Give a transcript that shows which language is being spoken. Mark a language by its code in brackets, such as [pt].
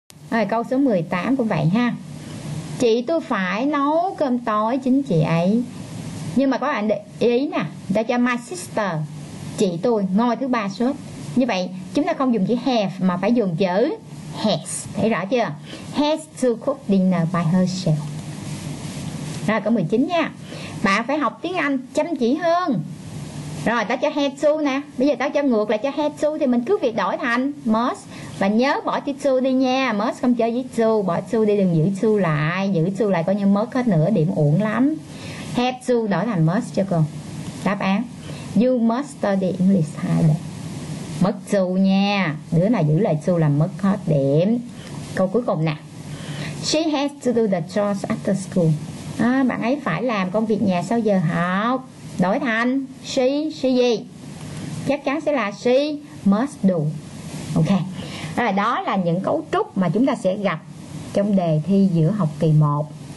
[vi] Rồi câu số 18 cũng vậy ha. Chị tôi phải nấu cơm tối chính chị ấy. Nhưng mà có bạn để ý nè, ta cho my sister, chị tôi ngồi thứ ba suốt. Như vậy chúng ta không dùng chữ have mà phải dùng chữ has. Thấy rõ chưa? [en] Has to cook dinner by herself. [vi] Rồi câu 19 nha. Bạn phải học tiếng Anh chăm chỉ hơn. Rồi ta cho have to nè. Bây giờ ta cho ngược lại cho have to thì mình cứ việc đổi thành must. Và nhớ bỏ chữ to đi nha. Must không chơi với to. Bỏ to đi, đừng giữ to lại. Giữ to lại coi như mất hết nửa điểm, uổng lắm. Have to đổi thành must cho cô. Đáp án [en] you must study English 2 day. [vi] Mất to nha. Đứa nào giữ lại to là mất hết điểm. Câu cuối cùng nè. [en] She has to do the chores after school. [vi] À, bạn ấy phải làm công việc nhà sau giờ học. Đổi thành she gì? Chắc chắn sẽ là [en] she must do. [vi] Ok. Rồi đó là những cấu trúc mà chúng ta sẽ gặp trong đề thi giữa học kỳ 1.